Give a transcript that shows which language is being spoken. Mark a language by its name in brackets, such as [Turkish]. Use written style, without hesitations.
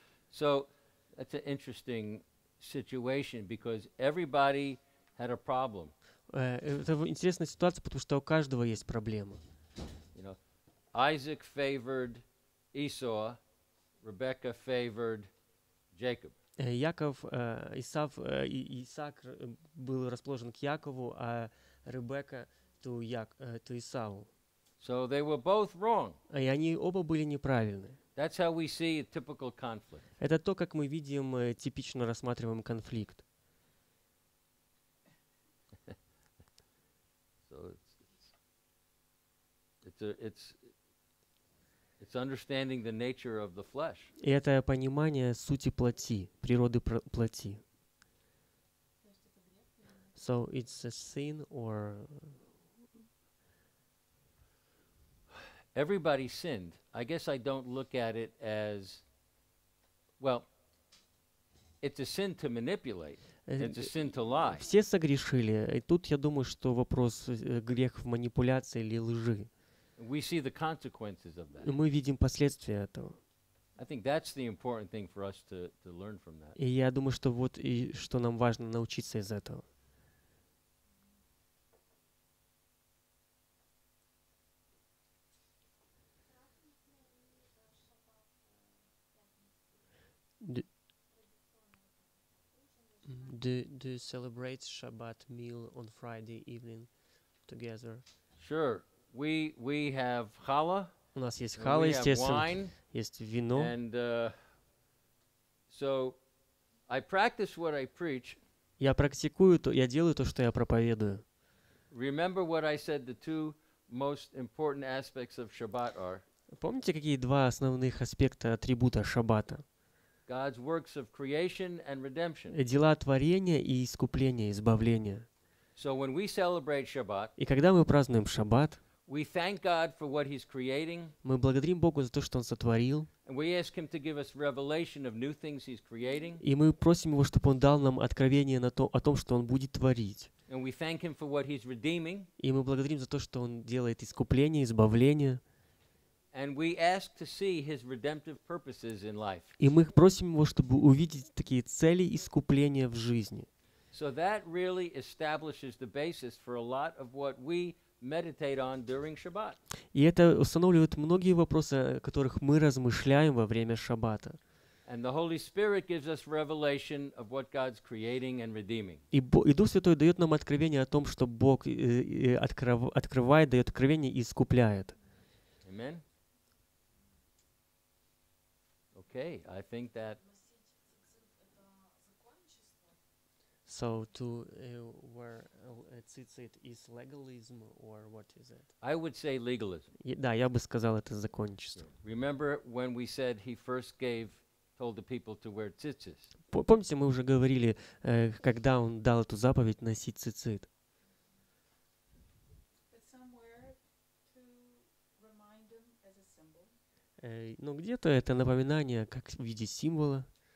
[English] So that's an interesting situation because everybody had a problem. [Russian] Это интересная ситуация, потому что у каждого есть проблема. [English] You know, Isaac favored Esau, Rebecca favored Jacob. [Russian] Яков, Исав, Исаак был расположен к Якову, а Ребекка [English] to [Russian] Исаву. [English] So they were both wrong. [Russian] И они оба были неправильны. [English] That's how we see a typical conflict. [Russian] Это то, как мы видим, типично рассматриваем конфликт. [English] So it's understanding the nature of the flesh. [Russian] И это понимание сути плоти, природы плоти. [English] So it's a sin or... Everybody sinned. I guess I don't look at it as, well, it's a sin to manipulate. It's a sin to lie. [Russian] Все согрешили. И тут я думаю, что вопрос грех в манипуляции или лжи. [English] We see the consequences of that. [Russian] Мы видим последствия этого. [English] I think that's the important thing for us to learn from that. [Russian] И я думаю, что вот и что нам важно научиться из этого. [English] Do you celebrate Shabbat meal on Friday evening together? Sure. We have challah. [Russian] У нас есть хала, естественно. Есть вино. [English] And so I practice what I preach. [Russian] Я практикую то, я делаю то, что я проповедую. [English] Remember what I said the two most important aspects of Shabbat are? [Russian] Помните, какие два основных аспекта атрибута Шаббата? [English] God's works of creation and redemption. [Russian] Дела творения и искупления, избавления. [English] So when we celebrate Shabbat, [Russian] и когда мы празднуем Шаббат, [English] we thank God for what He's creating. [Russian] Мы благодарим Бога за то, что Он сотворил. [English] And we ask Him to give us revelation of new things He's creating. [Russian] И мы просим Его, чтобы Он дал нам откровение на то, о том, что Он будет творить. [English] And we thank Him for what He's redeeming. [Russian] И мы благодарим за то, что Он делает искупление, избавление. [English] And we ask to see His redemptive purposes in life. [Russian] И мы просим Его, чтобы увидеть такие цели искупления в жизни. [English] So that really establishes the basis for a lot of what we meditate on during Shabbat. [Russian] И это устанавливает многие вопросы, о которых мы размышляем во время Шаббата. [English] And the Holy Spirit gives us revelation of what God's creating and redeeming. [Russian] И Дух Святой дает нам откровение о том, что Бог открывает, дает откровение и искупляет. [English] Amen. Okay, I think that. So to where tzitzit is legalism or what is it? I would say legalism. [Russian] Да, я бы сказал это законничество. [English] Remember when we said he first gave, told the people to wear tzitzis? [Russian] Помните, мы уже говорили, когда он дал эту заповедь носить тзитцит. Но где-то это напоминание как в виде символа.